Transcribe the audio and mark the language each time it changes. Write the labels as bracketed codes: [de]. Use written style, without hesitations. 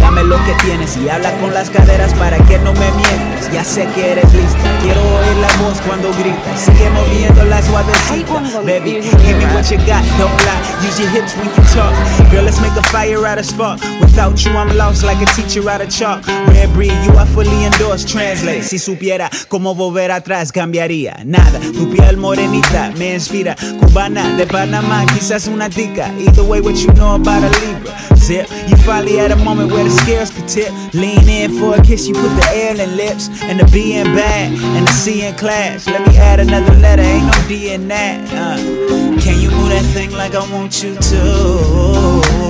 [es] Lo que tienes y habla con las caderas para que no me mientas. Ya sé que eres lista, quiero oír la voz cuando gritas. Sigue moviendo la suavecita. [en] Baby, give me what you got, don't lie. Use your hips when you talk. Girl, let's make a fire out of spark. Without you, I'm lost like a teacher out of chalk. Rare breed, you are fully endorsed. [es] Translate, si supiera cómo volver atrás, cambiaría. Nada, tu piel morenita me inspira. Cubana de Panamá, quizás una tica. [en] Either way, what you know about a Libra. Zip, you finally had a moment where the scales could tip. Lean in for a kiss, you put the L in lips. And the B in bad, and the C in class. Let me add another letter, ain't no D in that. Can you move that thing like I want you to?